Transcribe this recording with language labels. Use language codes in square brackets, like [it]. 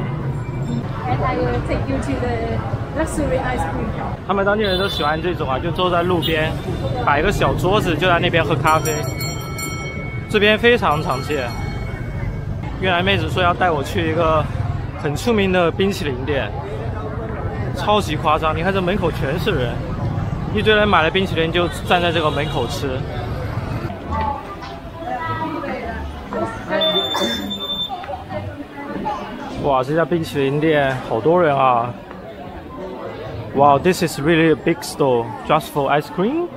[en] And I will take you to the luxury ice cream. [zh] 他们当地人都喜欢这种啊，就坐在路边，摆一个小桌子，就在那边喝咖啡。这边非常常见。越南妹子说要带我去一个很出名的冰淇淋店，超级夸张。你看这门口全是人，一堆人买了冰淇淋就站在这个门口吃。哇，这家冰淇淋店好多人啊！ [en] Wow, this is really a big store just for ice cream?